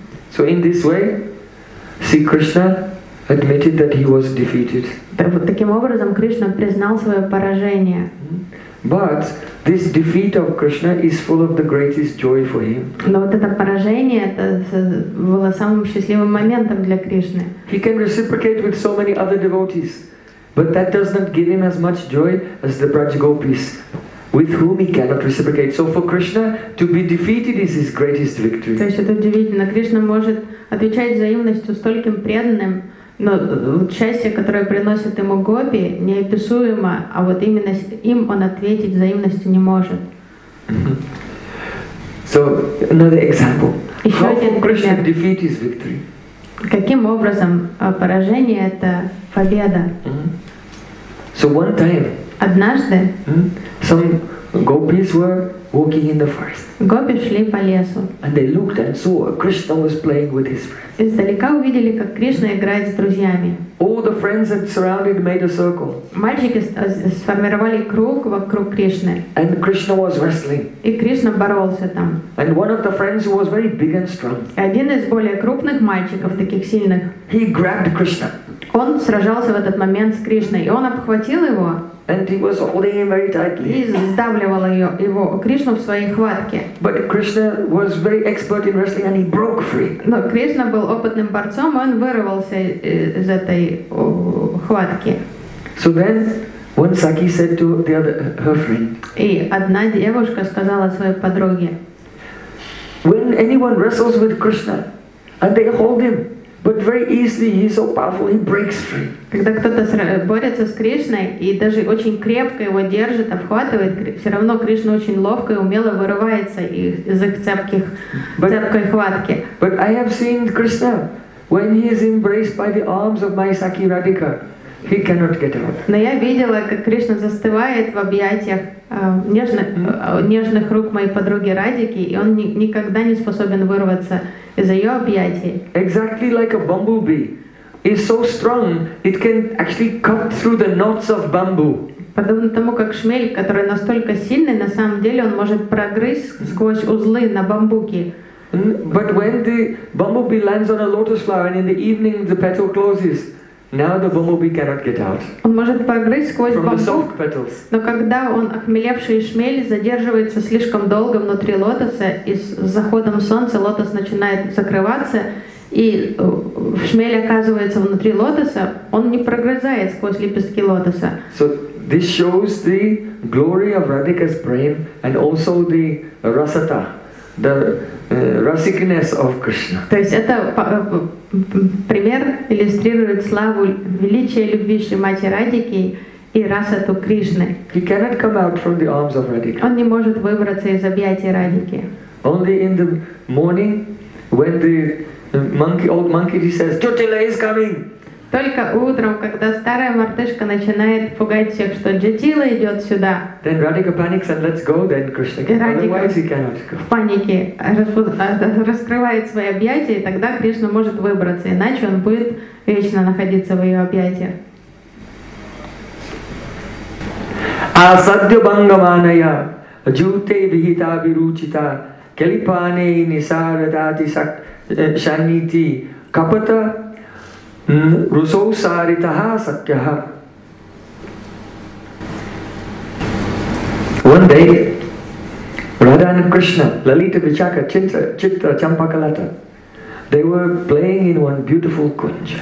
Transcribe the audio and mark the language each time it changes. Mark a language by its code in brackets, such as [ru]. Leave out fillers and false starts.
[en] So in this way, see, Krishna admitted that he was defeated. [ru] Вот таким образом Кришна признал свое поражение. [en] But this defeat of Krishna is full of the greatest joy for him. [ru] Но вот это поражение, это было самым счастливым моментом для Кришны. [en] He can reciprocate with so many other devotees. But that does not give him as much joy as the Braj Gopis, with whom he cannot reciprocate. So for Krishna to be defeated is his greatest victory. [ru] То есть это удивительно. Кришна может отвечать взаимностью стольким преданным, но счастье, которое приносит ему гопи, неописуемо, а вот именно им он ответить взаимностью не может. [en] So another example. [ru] Еще [en] how [ru] один [en] for Krishna to defeat his victory? [ru] Каким образом поражение это победа? [en] So one time, [ru] однажды, [en] some gopis were walking in the forest. [ru] Гопи шли по лесу. [en] And they looked and saw Krishna was playing with his friends. [ru] Издалека увидели, как Кришна играет с друзьями. [en] All the friends that surrounded made a circle. [ru] Мальчики сформировали круг вокруг Кришны. [en] And Krishna was wrestling. [ru] И Кришна боролся там. [en] And one of the friends who was very big and strong. [ru] Один из более крупных мальчиков, таких сильных. [en] He grabbed Krishna. [ru] Он сражался в этот момент с Кришной, и он обхватил его [en] and he was holding him very tightly. [ru] И сдавливал его, Кришну в своей хватке. [en] But Krishna was very expert in wrestling and he broke free. [ru] Но Кришна был опытным борцом, и он вырвался из этой хватки. [en] So then, one Saki said to the other, her friend. [ru] И одна девушка сказала своей подруге. [en] When anyone wrestles with Krishna and they hold him, but very easily he's so powerful he breaks free. [ru] Когда кто-то борется с Кришной и даже очень крепко его держит, обхватывает, все равно Кришна очень ловко и умело вырывается из их цепкой хватки. [en] But I have seen Krishna when he is embraced by the arms of my Sakhi Radhika, he cannot get out. [ru] Но я видела, как Кришна застывает в объятиях нежных рук моей подруги Радики, и он никогда не способен вырваться из ее объятий. [en] Exactly like a bumblebee is so strong, it can actually cut through the knots of bamboo. [ru] Подобно тому, как шмель, который настолько сильный, на самом деле он может прогрызть сквозь узлы на бамбуке. [en] But when the bumblebee lands on a lotus flower and in the evening the petal closes, now the bumblebee cannot get out. [ru] Он может прогрызть сквозь [en] from [ru] бамбук, [en] the soft petals. [ru] Но когда он охмелевший шмель задерживается слишком долго внутри лотоса, и с заходом солнца лотос начинает закрываться, и шмель оказывается внутри лотоса, он не прогрызает сквозь лепестки лотоса. [en] So This shows the glory of Radhika's prem and also the rasata, the rasikness of Krishna. [ru] То есть это пример иллюстрирует славу величия любви Шримати Радики и расату Кришны. [en] He cannot come out from the arms of Radhika. [ru] Он не может выбраться из объятий Радики. [en] Only in the morning, when the monkey, old monkey, says, "Chotila is coming." [ru] Только утром, когда старая мартышка начинает пугать всех, что Джатила идет сюда. [en] Then Radhika panics and let's go. Then Krishna can. Otherwise he cannot go. [ru] В панике раскрывает свои объятия, и тогда Кришна может выбраться, иначе он будет вечно находиться в ее объятиях. [sa] Асадья бангаманая джуте вихита виручита калипане нисарадати шанити капата Русоусаритаха Сакьяха. [en] One day, Radha and Krishna, Lalita Vichaka, Chitra Champakalata, they were playing in one beautiful kunj.